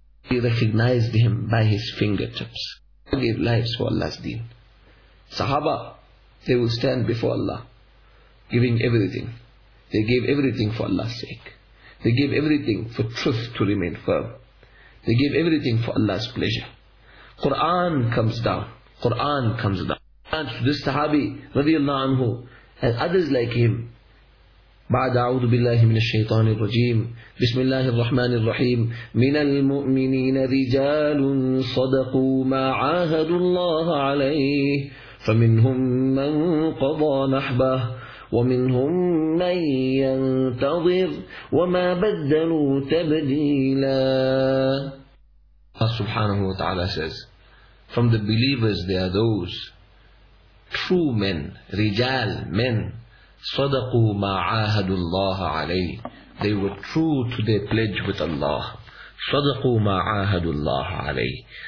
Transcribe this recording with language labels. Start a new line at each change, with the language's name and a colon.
English: He recognized him by his fingertips. He gave lives for Allah's deen. Sahaba, they will stand before Allah, giving everything. They gave everything for Allah's sake. They gave everything for truth to remain firm. They gave everything for Allah's pleasure. Quran comes down. Quran comes down. And this Sahabi, radiallahu anhu, and others like him,
Arabic: بعد أعوذ بالله من الشيطان الرجيم بسم الله الرحمن الرحيم من المؤمنين رجال صدقوا ما عاهدوا الله عليه فمنهم من قضى نحبه ومنهم من ينتظر وما بدلوا تبديلا.
English: Allah subhanahu wa ta'ala says, from the believers there are those true men, رجال, men,
Arabic: صدقوا ما عاهدوا الله عليه.
English: They were true to their pledge with Allah.
Arabic: صدقوا ما عاهدوا الله عليه.